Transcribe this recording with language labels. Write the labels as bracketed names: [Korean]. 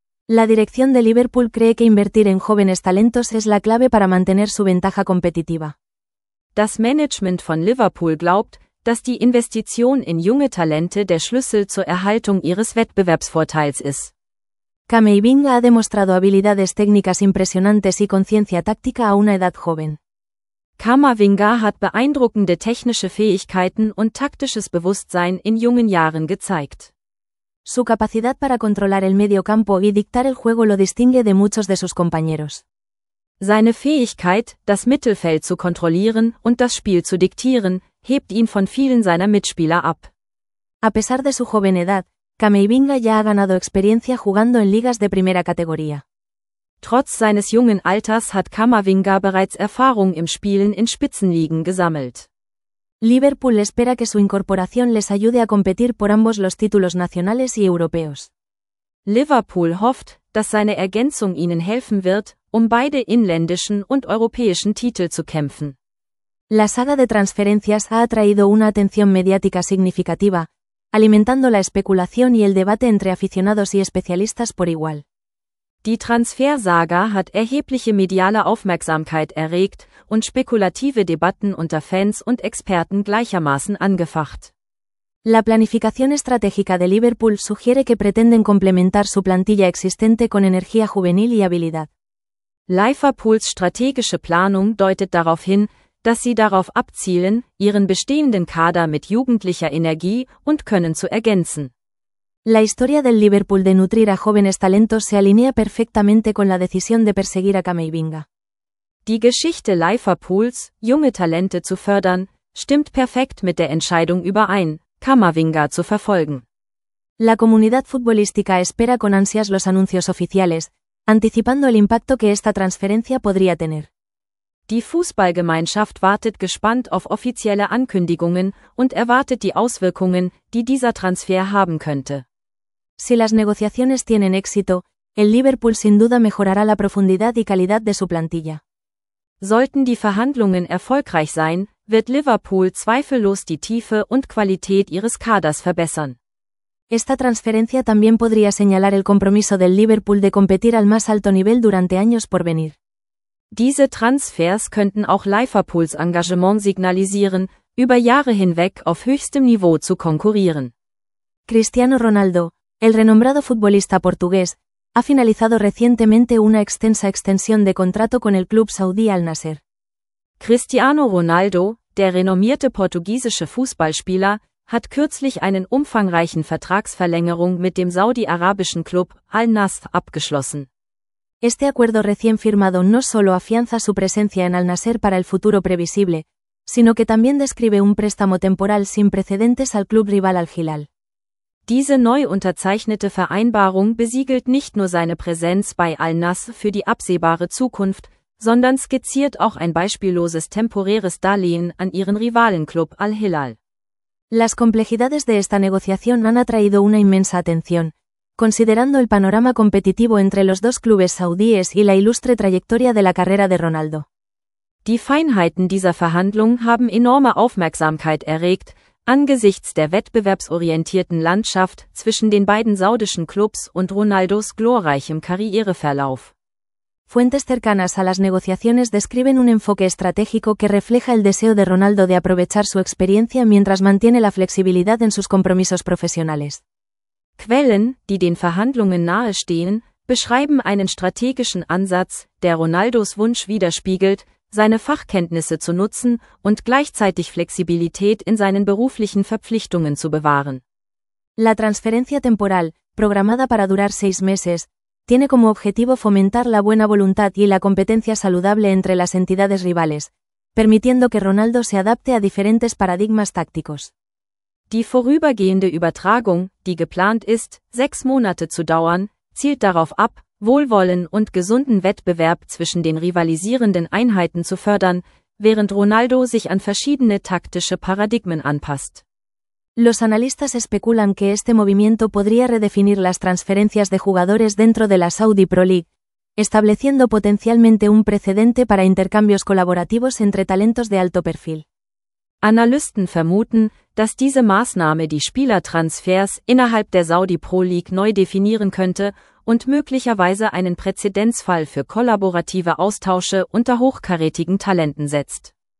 [Spanish] La dirección de Liverpool cree que invertir en jóvenes talentos es la clave para mantener su ventaja competitiva. [German] Das Management von Liverpool glaubt, dass die Investition in junge Talente der Schlüssel zur Erhaltung ihres Wettbewerbsvorteils ist. [Spanish] Camavinga ha demostrado habilidades técnicas impresionantes y conciencia táctica a una edad joven. [German] Camavinga hat beeindruckende technische Fähigkeiten und taktisches Bewusstsein in jungen Jahren gezeigt. [Spanish] Su capacidad para controlar el medio campo y dictar el juego lo distingue de muchos de sus compañeros. [German] Seine Fähigkeit, das Mittelfeld zu kontrollieren und das Spiel zu diktieren, hebt ihn von vielen seiner Mitspieler ab. [Spanish] A pesar de su joven edad, Camavinga ya ha ganado experiencia jugando en ligas de primera categoría. [German] Trotz seines jungen Alters hat Camavinga bereits Erfahrung im Spielen in Spitzenligen gesammelt. [Spanish] Liverpool espera que su incorporación les ayude a competir por ambos los títulos nacionales y europeos. [German] Liverpool hofft, dass seine Ergänzung ihnen helfen wird, um beide inländischen und europäischen Titel zu kämpfen. [Spanish] La saga de transferencias ha atraído una atención mediática significativa, alimentando la especulación y el debate entre aficionados y especialistas por igual. [German] Die Transfersaga hat erhebliche mediale Aufmerksamkeit erregt und spekulative Debatten unter Fans und Experten gleichermaßen angefacht. [Spanish] La planificación estratégica de Liverpool sugiere que pretenden complementar su plantilla existente con energía juvenil y habilidad. [German] Liverpools strategische Planung deutet darauf hin, dass sie darauf abzielen, ihren bestehenden Kader mit jugendlicher Energie und Können zu ergänzen. [Spanish] La historia del Liverpool de nutrir a jóvenes talentos se alinea perfectamente con la decisión de perseguir a Camavinga. [German] Die Geschichte Liverpools, junge Talente zu fördern, stimmt perfekt mit der Entscheidung überein, Camavinga zu verfolgen. [Spanish] La comunidad futbolística espera con ansias los anuncios oficiales, anticipando el impacto que esta transferencia podría tener. [German] Die Fußballgemeinschaft wartet gespannt auf offizielle Ankündigungen und erwartet die Auswirkungen, die dieser Transfer haben könnte. [Spanish] Si las negociaciones tienen éxito, el Liverpool sin duda mejorará la profundidad y calidad de su plantilla. [German] Sollten die Verhandlungen erfolgreich sein, wird Liverpool zweifellos die Tiefe und Qualität ihres Kaders verbessern. [Spanish] Esta transferencia también podría señalar el compromiso del Liverpool de competir al más alto nivel durante años por venir. [German] Diese Transfers könnten auch Liverpools Engagement signalisieren, über Jahre hinweg auf höchstem Niveau zu konkurrieren. [Spanish] Cristiano Ronaldo, el renombrado futbolista portugués, ha finalizado recientemente una extensa extensión de contrato con el club saudí Al-Nassr. [German] Cristiano Ronaldo, der renommierte portugiesische Fußballspieler, hat kürzlich einen umfangreichen Vertragsverlängerung mit dem saudi-arabischen Club Al-Nassr abgeschlossen. [Spanish] Este acuerdo recién firmado no solo afianza su presencia en Al-Nassr para el futuro previsible, sino que también describe un préstamo temporal sin precedentes al club rival Al-Hilal. [German] Diese neu unterzeichnete Vereinbarung besiegelt nicht nur seine Präsenz bei Al-Nassr für die absehbare Zukunft, sondern skizziert auch ein beispielloses temporäres Darlehen an ihren Rivalenclub Al-Hilal. [Spanish] Las complejidades de esta negociación han atraído una inmensa atención, considerando el panorama competitivo entre los dos clubes saudíes y la ilustre trayectoria de la carrera de Ronaldo. [German] Die Feinheiten dieser Verhandlung haben enorme Aufmerksamkeit erregt, angesichts der wettbewerbsorientierten Landschaft zwischen den beiden saudischen Clubs und Ronaldos glorreichem Karriereverlauf. [Spanish] Fuentes cercanas a las negociaciones describen un enfoque estratégico que refleja el deseo de Ronaldo de aprovechar su experiencia mientras mantiene la flexibilidad en sus compromisos profesionales. [German] Quellen, die den Verhandlungen nahestehen, beschreiben einen strategischen Ansatz, der Ronaldos Wunsch widerspiegelt, seine Fachkenntnisse zu nutzen und gleichzeitig Flexibilität in seinen beruflichen Verpflichtungen zu bewahren. [Spanish] La transferencia temporal, programada para durar 6 meses, tiene como objetivo fomentar la buena voluntad y la competencia saludable entre las entidades rivales, permitiendo que Ronaldo se adapte a diferentes paradigmas tácticos. [German] Die vorübergehende Übertragung, die geplant ist, 6 Monate zu dauern, zielt darauf ab, Wohlwollen und gesunden Wettbewerb zwischen den rivalisierenden Einheiten zu fördern, während Ronaldo sich an verschiedene taktische Paradigmen anpasst. [Spanish] Los analistas especulan que este movimiento podría redefinir las transferencias de jugadores dentro de la Saudi Pro League, estableciendo potencialmente un precedente para intercambios colaborativos entre talentos de alto perfil. [German] Analysten vermuten, dass diese Maßnahme die Spielertransfers innerhalb der Saudi Pro League neu definieren könnte und möglicherweise einen Präzedenzfall für kollaborative Austausche unter hochkarätigen Talenten setzt.